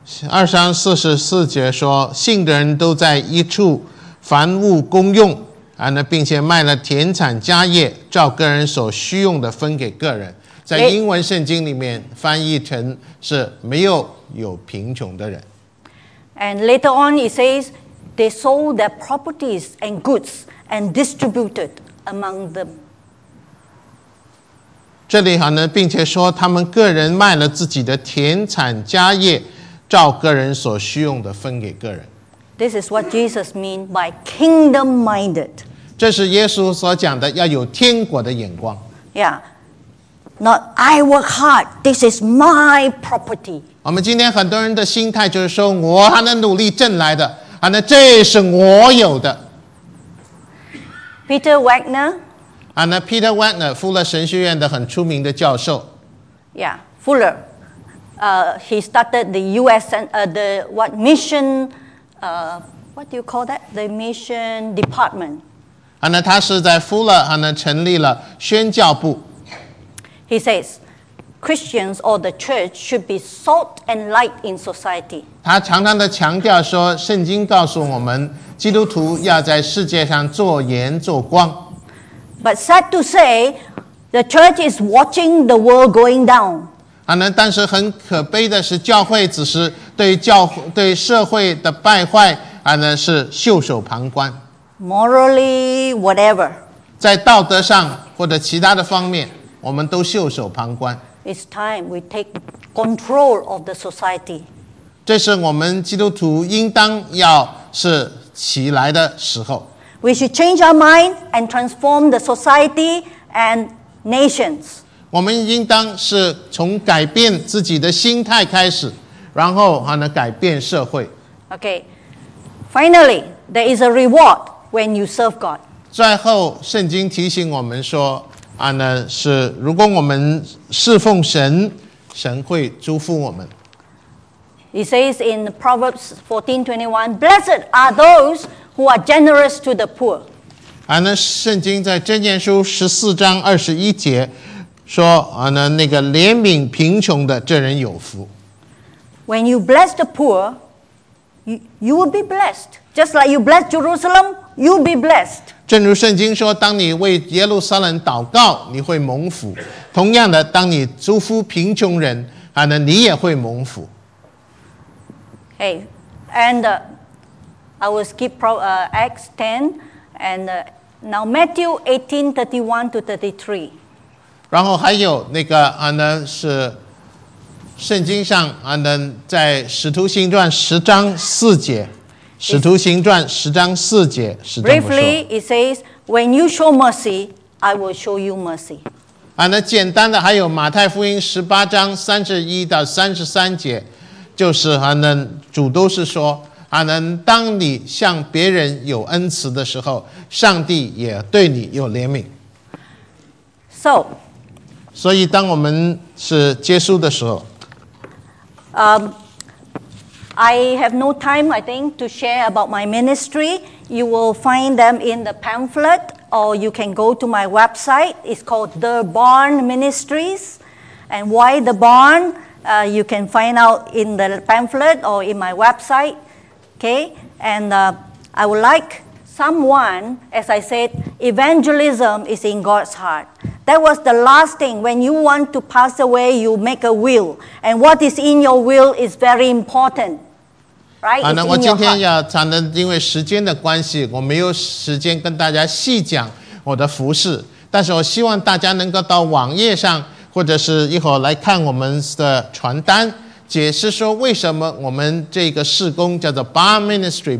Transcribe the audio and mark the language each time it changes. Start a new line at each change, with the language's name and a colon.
Chinese: 二章四十四节说，信的人都在一处，凡物公用，啊，那并且卖了田产家业，照个人所需用的分给个人。在英文圣经里面翻译成是没有有贫穷的人。
English: And later on, it says they sold their properties and goods and distributed among them.
Chinese: 这里好呢，并且说他们个人卖了自己的田产家业，照个人所需用的分给个人。
English: This is what Jesus means by kingdom-minded.
Chinese: 这是耶稣所讲的，要有天国的眼光。
English: Yeah, not I work hard. This is my property.
Chinese: 我们今天很多人的心态就是说，我还能努力挣来的，啊，那这是我有的。
English: Peter Wagner. And Peter Wagner,
Chinese: Fuller 神学院的很出名的教授。
English: Yeah, Fuller, he started the U.S. The what mission, what do you call that? The mission department. And
Chinese: 他是在 Fuller 呢成立了宣教部。
English: He says, Christians or the church should be salt and light in society.
Chinese: 他常常的强调说，圣经告诉我们，基督徒要在世界上做盐做光。
English: But sad to say, the church is watching the world going down.
Chinese: 但是很可悲的是，教会只是对社会的败坏，是袖手旁观。
English: Morally, whatever.
Chinese: 在道德上或者其他的方面，我们都袖手旁观。
English: It's time we take control of the society.
Chinese: 这是我们基督徒应当要是起来的时候。
English: We should change our mind and transform the society and nations.
Chinese: 我们应当是从改变自己的心态开始，然后还能改变社会。
English: Okay. Finally, there is a reward when you serve God.
Chinese: 最后，圣经提醒我们说，是如果我们侍奉神，神会祝福我们。
English: It says in Proverbs 14:21, "Blessed are those." Who are generous to the poor?
Chinese: 那圣经在箴言书十四章二十一节说那个怜悯贫穷的这人有福。
English: When you bless the poor, you will be blessed. Just like you bless Jerusalem, you'll be blessed.
Chinese: 正如圣经说，当你为耶路撒冷祷告，你会蒙福。同样的，当你祝福贫穷人，你也会蒙福。
English: Hey, and. I will skip Acts 10, and now Matthew 18:31-33.
Chinese: 然后还有那个是圣经上在使徒行传十章四节，使徒行传十章四节是这么说。
English: Briefly, it says, "When you show mercy, I will show you mercy."
Chinese: 那简单的还有马太福音十八章三十一到三十三节，就是主都是说。当你向别人有恩慈的时候，上帝也对你有怜悯。所以当我们是接受的时候，
English: I have no time, I think, to share about my ministry. You will find them in the pamphlet, or you can go to my website. It's called The Barn Ministries. And why The Barn? You can find out in the pamphlet or in my website. Okay? And I would like someone, as I said, evangelism is in God's heart. That was the last thing. When you want to pass away, you make a will. And what is in your will is very important. Right? It's in your heart.
Chinese: 我今天要谈的，因为时间的关系，我没有时间跟大家细讲我的服事，但是我希望大家能够到网页上，或者是一会儿来看我们的传单，解释说为什么我们这个事工叫做 Barn Ministry。